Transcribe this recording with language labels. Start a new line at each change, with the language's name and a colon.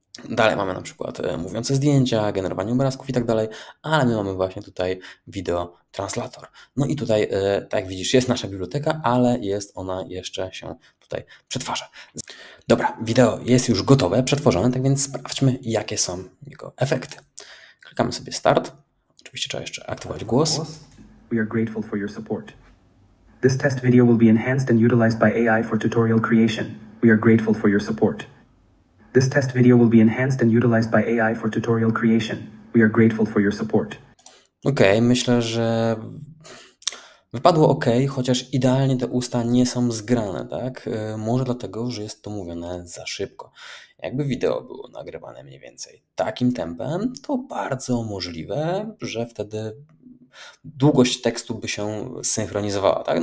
Polish: Dalej mamy na przykład mówiące zdjęcia, generowanie obrazków i tak dalej, ale my mamy właśnie tutaj wideo translator. No i tutaj, tak jak widzisz, jest nasza biblioteka, ale jest ona jeszcze się tutaj przetwarza. Dobra, wideo jest już gotowe, przetworzone, tak więc sprawdźmy, jakie są jego efekty. Klikamy sobie start. Oczywiście trzeba jeszcze aktywować głos.
English: We are grateful for your support. This test video will be enhanced and utilized by AI for tutorial creation. We are grateful for your support. This test video will be enhanced and utilized by AI for tutorial creation. We are grateful for your support.
Polish: Okej, myślę, że wypadło ok, chociaż idealnie te usta nie są zgrane, tak? Może dlatego, że jest to mówione za szybko. Jakby wideo było nagrywane mniej więcej takim tempem, to bardzo możliwe, że wtedy długość tekstu by się synchronizowała, tak?